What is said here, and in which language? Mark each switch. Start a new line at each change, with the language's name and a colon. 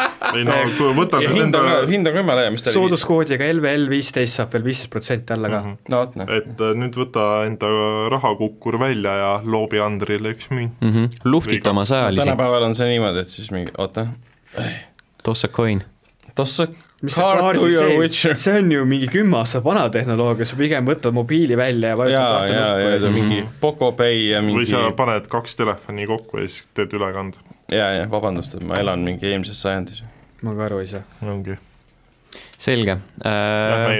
Estonian: ei no kui võtame hind on ka , hind on ka jumala hea , mis ta sooduskoodiga LVL15 saab veel 15% alla ka . no vot , noh . et nüüd võta enda rahakukkur välja ja loobi Andrile üks münt . Luhtita oma sajalisi . tänapäeval on see niimoodi , et siis mingi , oota .
English: Toss a coin . Toss a card to your witcher .
Estonian: see on ju mingi 10 aasta vana tehnoloogia , sa pigem võtad mobiili välja ja vajutad ja see on mingi Poco Pay ja mingi või sa paned kaks telefoni kokku ja siis teed ülekand . jaa , vabandust , et ma elan mingi eelmises sajandis . ma ka aru ei saa . ongi . selge . Lähme